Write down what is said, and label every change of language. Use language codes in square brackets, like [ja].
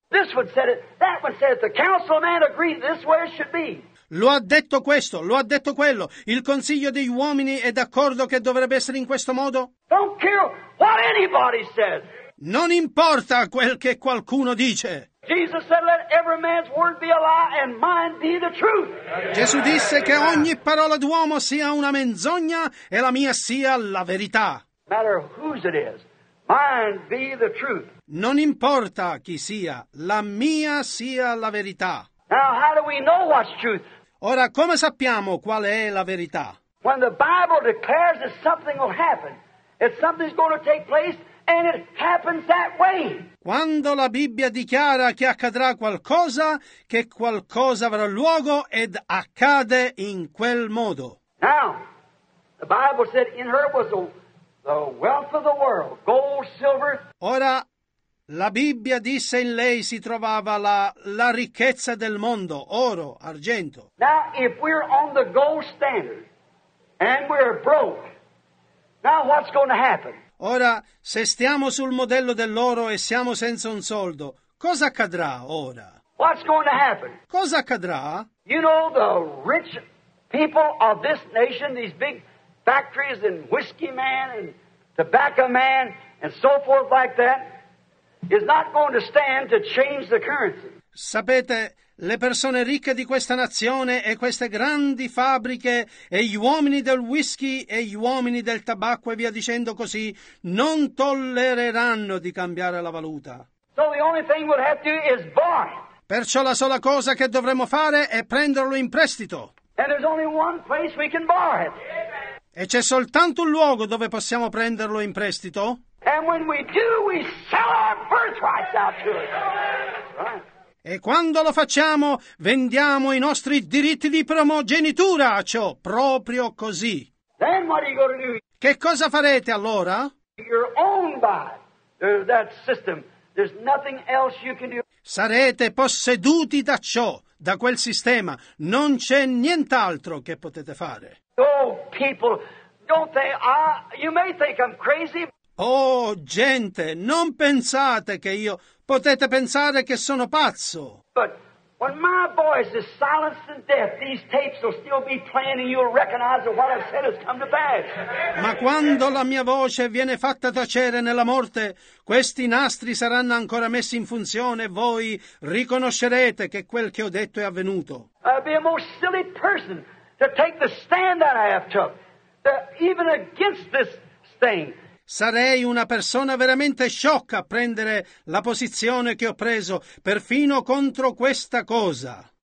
[en] This one said it, that one said it, the councilman agreed this way it should be. [it] Lo ha detto questo, lo ha detto quello, il consiglio degli uomini è d'accordo che dovrebbe essere in questo modo? [en] Don't care what anybody says. [it] Non importa quel che qualcuno dice. [en] Jesus said, let every man's word be a lie and mine be the truth. [it] Gesù disse che ogni parola d'uomo sia una menzogna e la mia sia la verità. [en] No matter whose it is, mine be the truth. [it] Non importa chi sia, la mia sia la verità. [en] Now, how do we know what's truth? [it] Ora, come sappiamo qual è la verità? [en] When the Bible declares that something will happen, if something's going to take place, and it happens that way. [it] Quando la Bibbia dichiara che accadrà qualcosa, che qualcosa avrà luogo ed accade in quel modo. [en] Now, the Bible said in her was the wealth of the world, gold, silver. [it] Ora, la Bibbia disse in lei si trovava la ricchezza del mondo, oro, argento. [en] Now, if we're on the gold standard and we're broke, now what's going to happen? [it] Ora, se stiamo sul modello dell'oro e siamo senza un soldo, cosa accadrà ora? [en] What's going to happen? [it] Cosa accadrà? [en] You know the rich people of this nation, these big factories and whiskey man and tobacco man and so forth like that, is not going to stand to change the currency. [it] Sapete, le persone ricche di questa nazione e queste grandi fabbriche e gli uomini del whisky e gli uomini del tabacco e via dicendo così non tollereranno di cambiare la valuta. [en] So the only thing we'll have to do is borrow. [it] Perciò la sola cosa che dovremo fare è prenderlo in prestito. [en] And there's only one place we can borrow it. [it] E c'è soltanto un luogo dove possiamo prenderlo in prestito. [en] And when we do, we sell our birthrights out to it. [it] E quando lo facciamo, vendiamo i nostri diritti di primogenitura a ciò, proprio così. [en] Then what are you going to do? [it] Che cosa farete allora? [en] You're owned by that system. There's nothing else you can do. [it] Sarete posseduti da ciò, da quel sistema. Non c'è nient'altro che potete fare. [en] Oh, people, don't they, you may think I'm crazy. [it] Oh, gente, non pensate che io... Potete pensare che sono pazzo. [en] But when my voice is silenced in death, these tapes will still be playing and you'll recognize that what I've said has come to pass. [it] Ma quando la mia voce viene fatta tacere nella morte, questi nastri saranno ancora messi in funzione e voi riconoscerete che quel che ho detto è avvenuto. [en] I'd be a most silly person to take the stand that I have took, even against this thing. [it] Sarei una persona veramente sciocca a prendere la posizione che ho preso perfino contro questa cosa.